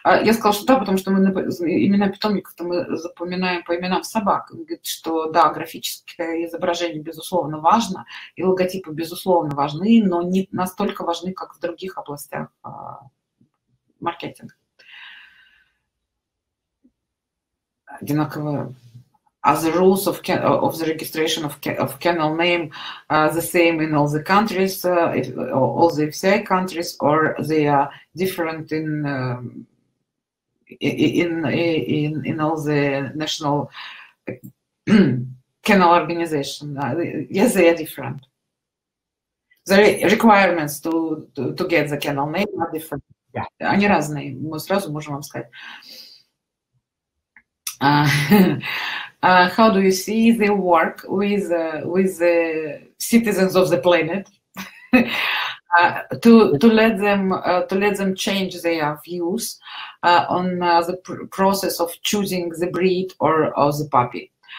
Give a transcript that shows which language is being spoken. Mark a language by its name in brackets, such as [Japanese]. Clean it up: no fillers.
[Russian] Я сказала, что да, потому что мы имена питомников-то мы запоминаем по именам собак. Он говорит, что да, графическое изображение безусловно важно, и логотипы безусловно важны, но не настолько важны, как в других областях маркетинга. Одинаково. [English] As the rules of the registration of kennel name the same in all the countries, all the FCI countries, or they are different in all the national kennel organization? Yes, they are different. The requirements to get the kennel name are different. Yeah. [Russian] Они разные, мы сразу можем вам сказать. [English] How do you see the work with the citizens of the planet to let them change their views on the process of choosing the breed or the puppy?